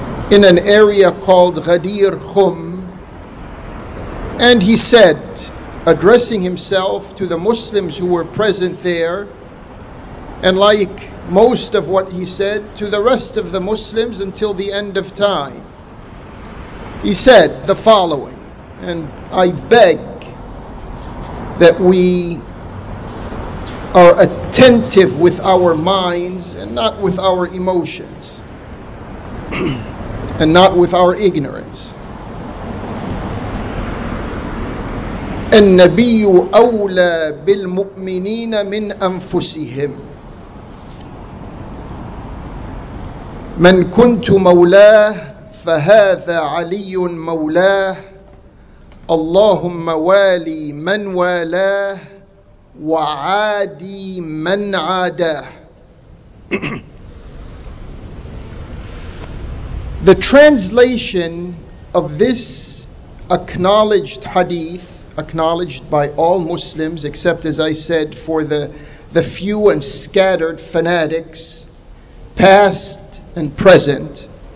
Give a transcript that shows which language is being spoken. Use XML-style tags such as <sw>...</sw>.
<en>in an area called Ghadir Khum, and he said, addressing himself to the Muslims who were present there, and like most of what he said, to the rest of the Muslims until the end of time, he said the following, and I beg that we are attentive with our minds and not with our emotions and not with our ignorance.</en> <ar>النبي أولى بالمؤمنين من أنفسهم من كنت مولاه فهذا علي مولاه اللهم والي من والاه وعادي من عاداه.</ar> <en>The translation of this acknowledged hadith, acknowledged by all Muslims, except, as I said, for the few and scattered fanatics, past and present.</en>